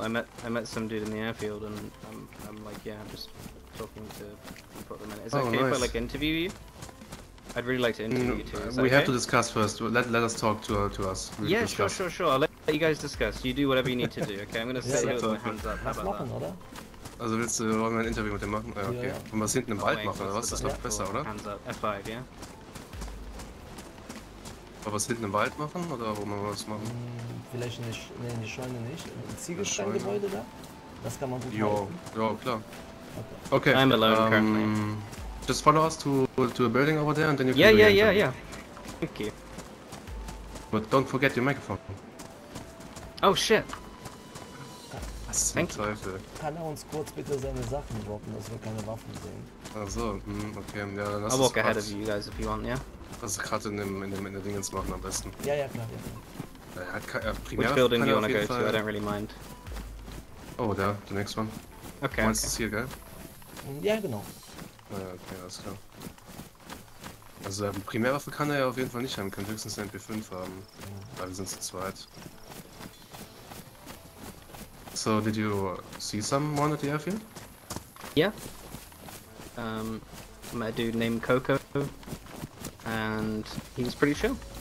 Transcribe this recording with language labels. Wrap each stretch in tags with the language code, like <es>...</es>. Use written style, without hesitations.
<en>I met some dude in the airfield and I'm like, yeah, I'm just talking to people at the minute. Is that okay, nice. If I like interview you? I'd really like to interview you too. We have to discuss first. Let us talk to us. We yeah, discuss. Sure. I'll let you guys discuss. You do whatever you need to do, okay? I'm gonna sit here with my hands up. How about that?</en> <de>Also willst du irgendein Interview mit dem machen? Ja, okay. Ja. Und was hinten im Wald machen, oder was? Das läuft besser, oder?</de> <en>Hands up. F5, yeah.</en> <de>Aber was hinten im Wald machen, oder wo man was machen? Vielleicht in die Scheune nicht. Ein Ziegelsteingebäude da? Das kann man gut machen. Ja, klar. Okay.</de> <en>I'm alone currently. Just follow us to a building over there and then you can yeah, do yeah, yeah, yeah. Okay. But don't forget your microphone. Oh shit.</en> <de>Was zum Teufel? Kann er uns kurz bitte seine Sachen droppen, dass wir keine Waffen sehen? Achso, okay, ja, dann lass</de> <en>I'll walk ahead of you guys if you want, yeah?</en> <de>Also gerade in der Dingens machen am besten. Ja, ja, klar. Ja, klar. Primär</de> <en>which building do you want to go to? I don't really mind. Oh, da, the next one. Okay.</en> <de>Meinst du das hier, gell? Ja, genau. Naja, okay, alles klar. Also, Primärwaffe kann er ja auf jeden Fall nicht haben, kann höchstens eine MP5 haben. Ja. Weil wir sind zu zweit.</de> <en>So, did you see someone at the airfield? Yeah. Met a dude named Coco. And he was pretty chill.</en>